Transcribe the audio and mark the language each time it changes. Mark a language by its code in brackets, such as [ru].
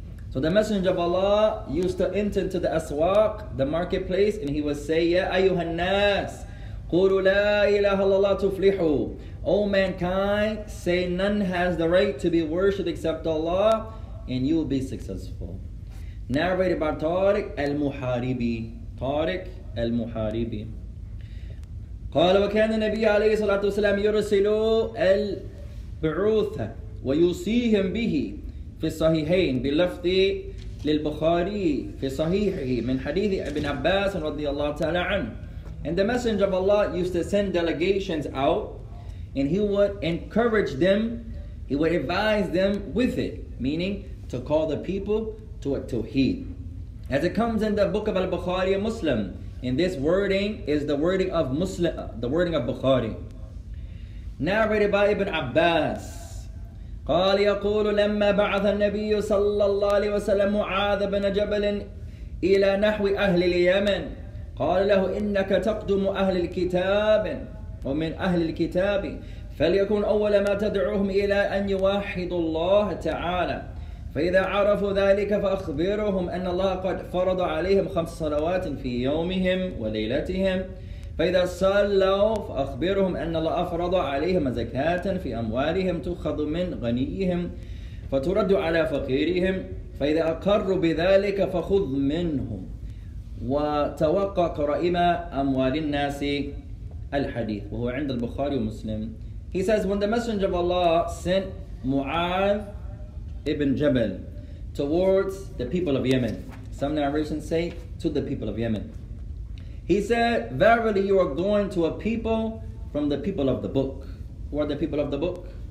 [en] So the Messenger of Allah used to enter into the aswaq, the marketplace, and he would say, [ar] Ya ayyuhan nas, qulu la ilaha illallah tuflihu. [en] O mankind, say none has the right to be worshipped except Allah, and you will be successful. Narrated by Tariq al-Muharibi. Tariq al-Muharibi. [ar] قال وكان النبي عليه الصلاة والسلام يرسل البعوث ويوصيهم به في الصحيحين بلفظ للبخاري في صحيحه من حديث ابن عباس رضي الله تعالى عنه. [en] And the Messenger of Allah used to send delegations out, and he would encourage them, he would advise them with it, meaning to call the people to a tawheed. As it comes in the book of Al-Bukhari and Muslim, and this wording is the wording of Muslim, the wording of Bukhari. Narrated by Ibn Abbas. [ar] قال يقول لما بعث النبي صلى الله عليه وسلم معاذ بن جبل إلى نحو أهل اليمن قال له إنك تقدم أهل الكتاب ومن أهل الكتاب فليكن أول ما تدعوهم إلى أن يوحدوا الله تعالى فإذا عرفوا ذلك فأخبرهم أن الله قد فرض عليهم 5 صلوات في يومهم وليلتهم فإذا صلوا فأخبرهم أن الله أفرض عليهم زكاة في أموالهم تؤخذ من غنيهم فترد على فقيرهم فإذا أقروا بذلك فخذ منهم وتوقع كرائم أموال الناس الحديث وهو عند البخاري ومسلم. [en] He says when the Messenger of Allah sent Mu'adh ibn Jabal towards the people of Yemen, some narrations say to the people of Yemen, he said, verily you are going to a people from the people of the book. Who are the people of the book?